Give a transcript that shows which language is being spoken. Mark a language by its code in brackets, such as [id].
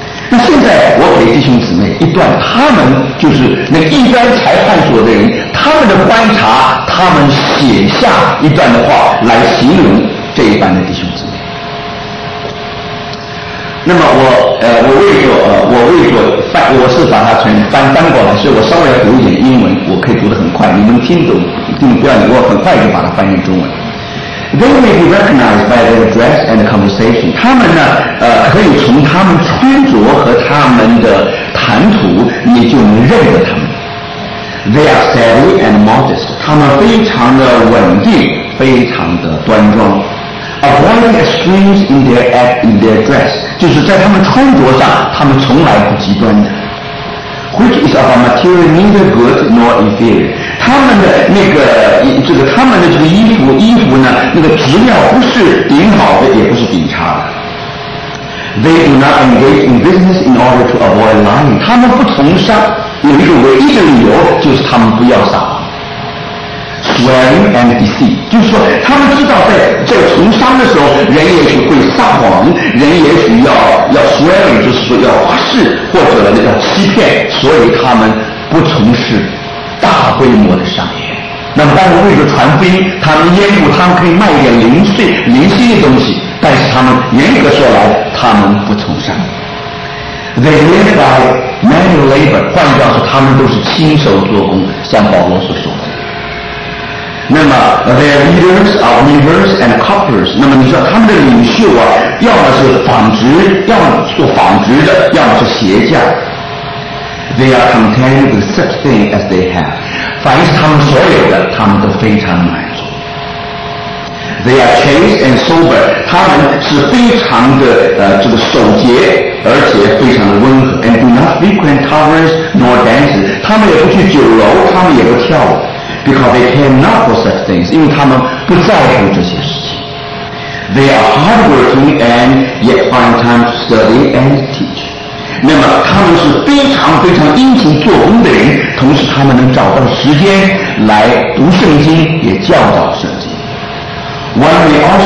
[zh] 那现在我给弟兄姊妹一段他们就是那一般裁判所的人他们的观察，他们写下一段的话来形容这一班的弟兄姊妹。那么我为做翻译，我是把它翻过来，所以我稍微读一点英文，我可以读得很快，你们听懂听不懂，我很快就把它翻译成中文。 [en] They may be recognized by their dress and conversation. [zh] 他们呢，可以从他们穿着和他们的谈吐，你就能认得他们。 [en] They are steady and modest. [zh] 他们非常的稳定，非常的端庄。 [en] Avoiding extremes in their act, in their dress, [zh] 就是在他们穿着上，他们从来不极端的。 [en] Which is of a material neither good nor inferior. [zh] 他们的那个这个他们的这个衣服呢，那个质量不是顶好的，也不是顶差的。 [en] They do not engage in business in order to avoid lying. [zh] 他们不从商，有一个唯一的理由就是他们不要撒谎。 [en] Swearing and deceit, [zh] 就是说他们知道在从商的时候，人也许会撒谎，人也许要 swearing, 就是说要发誓或者要欺骗，所以他们不从事大规模的商业。那么当然为了传福音，他们烟雾他们可以卖一点零碎的东西，但是他们严格说来他们不从商。 [en] They live by manual labor, [zh] 换句话说他们都是亲手做工，像保罗所说的。 [en] 那么 their leaders are weavers and carpenters. [zh] 那么你知道他们的领袖啊，要么是纺织，要么做纺织的，要么是鞋匠。 [en] They are content with such thing as they have. [zh] 凡是他们所有的，他们都非常满足。 [en] They are chaste and sober. [zh] 他们是非常的这个守节，而且非常的温和。 [en] And do not frequent taverns nor dances. [zh] 他们也不去酒楼，他们也不跳舞。 [en] Because they care not for such things, [zh] 因为他们不在乎这些事情。 [en] They are hardworking and yet find time to study and teach. [zh] 那么他们是非常非常殷勤做工的人，同时他们能找到时间来读圣经，也教导圣经。 [en] When we also